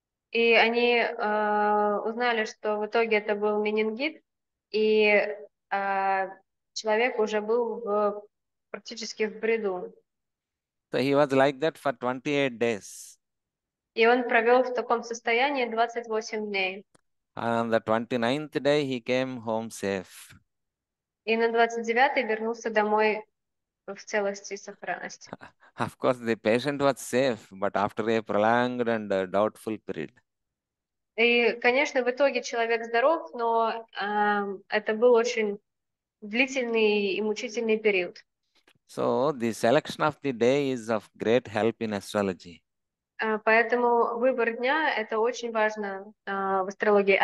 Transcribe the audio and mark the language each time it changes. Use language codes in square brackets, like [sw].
[ru] И они узнали, что в итоге это был менингит, и человек уже был практически в бреду. [en] So he was like that for 28 days. [ru] И он провел в таком состоянии 28 дней. [en] And on the 29th day he came home safe. [ru] И на 29-й вернулся домой в целости и сохранности. [en] Of course, the patient was safe, but after a prolonged and doubtful period. [ru] И, конечно, в итоге человек здоров, но это был очень длительный и мучительный период. [en] So the selection of the day is of great help in astrology. [ru] Поэтому выбор дня — это очень важно в астрологии.